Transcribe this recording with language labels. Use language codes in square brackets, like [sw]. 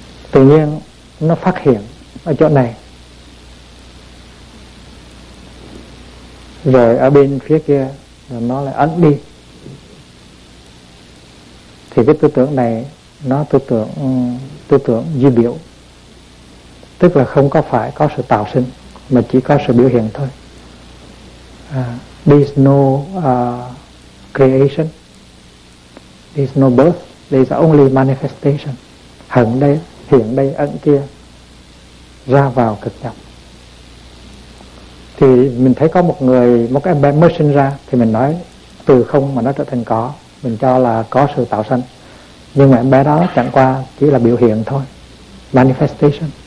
[vi] Tự nhiên nó phát hiện ở chỗ này, rồi ở bên phía kia nó lại ẩn đi. Thì cái tư tưởng này nó tư tưởng duy biểu, tức là không có phải có sự tạo sinh mà chỉ có sự biểu hiện thôi. [en] There is no creation, there is no birth, there is only manifestation. [vi] Hẳn đây, hiện đây, ẩn kia, ra vào cực nhập. Thì mình thấy có một người, một em bé mới sinh ra, thì mình nói từ không mà nó trở thành có, mình cho là có sự tạo sinh. Nhưng mà em bé đó chẳng qua chỉ là biểu hiện thôi, manifestation.